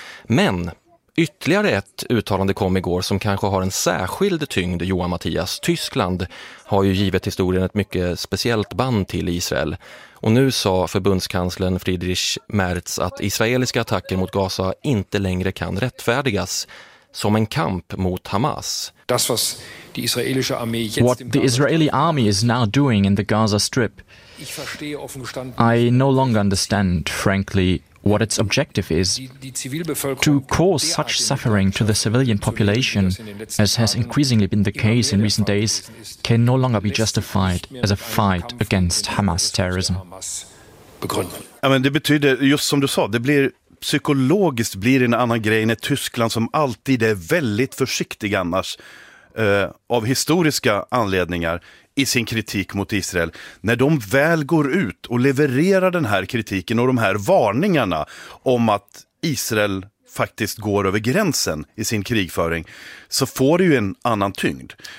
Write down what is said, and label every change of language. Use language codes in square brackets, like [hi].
[sv] Men ytterligare ett uttalande kom igår som kanske har en särskild tyngd, Johan Mattias. Tyskland har ju givet historien ett mycket speciellt band till Israel. Och nu sa förbundskanslern Friedrich Merz att israeliska attacker mot Gaza inte längre kan rättfärdigas som en kamp mot Hamas. [en] What the Israeli army is now doing in the Gaza Strip, I no longer understand, frankly, what its objective is, to cause such suffering to the civilian population, as has increasingly been the case in recent days, can no longer be justified as a fight against Hamas terrorism. [sv] Ja, men det betyder, just som du sa, det blir psykologiskt blir en annan grej när Tyskland, som alltid är väldigt försiktig annars, av historiska anledningar i sin kritik mot Israel, när de väl går ut och levererar den här kritiken och de här varningarna om att Israel faktiskt går över gränsen i sin krigföring, så får det ju en annan tyngd.